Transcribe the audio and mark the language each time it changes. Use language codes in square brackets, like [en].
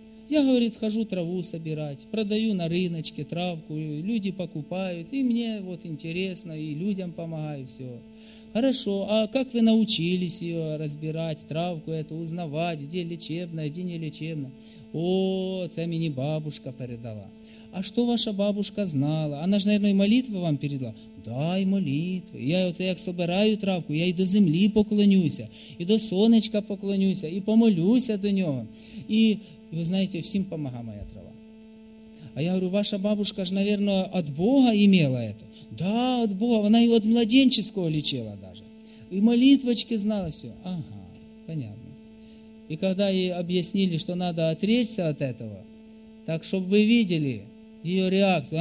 [ru] Я, говорит, хожу траву собирать, продаю на рыночке травку, люди покупают, и мне вот интересно, и людям помогаю, все. Хорошо, а как вы научились ее разбирать, травку эту узнавать, где лечебная, где не лечебная? О, это мне бабушка передала. А что ваша бабушка знала? Она же, наверное, и молитвы вам передала. Да, и молитвы. [uk] Я вот як собираю травку, я и до земли поклонюся, и до сонечка поклонюся, и помолюся до нього. [ru] И вы знаете, всім помогла моя трава. А я говорю, ваша бабушка же, наверное, от Бога имела это. Да, от Бога. Она и от младенческого лечила даже. И молитвочки знала все. Ага, понятно. И когда ей объяснили, что надо отречься от этого, так, чтобы вы видели ее реакцию.